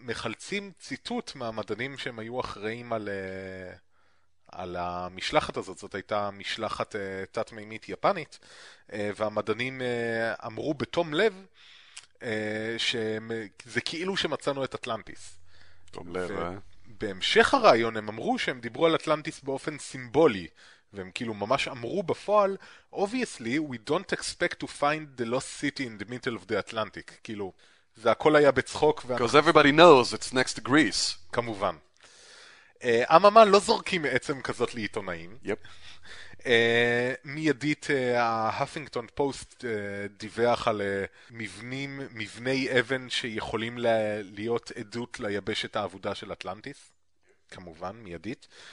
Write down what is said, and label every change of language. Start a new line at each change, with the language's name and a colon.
Hebrew: מחלצים ציטוט מהמדענים שהם היו אחראים על, על המשלחת הזאת, זאת הייתה משלחת תת-מימית יפנית, והמדענים אמרו בתום לב שזה כאילו שמצאנו את אטלנטיס. תום לב, בהמשך הרעיון הם אמרו שהם דיברו על אטלנטיס באופן סימבולי, והם כאילו ממש אמרו בפועל,
English: obviously we don't expect to find the lost city in the middle of the Atlantic.
Hebrew: כאילו, זה הכל היה בצחוק.
English: Because everybody knows it's next to Greece.
Hebrew: כמובן. אממה, לא זורקים עצם כזאת לעיתונאים. יפ. מיידית, ההפינגטון פוסט דיווח על מבנים, מבני אבן שיכולים להיות עדות ליבשת העבודה של אטלנטיס. כמובן, מיידית.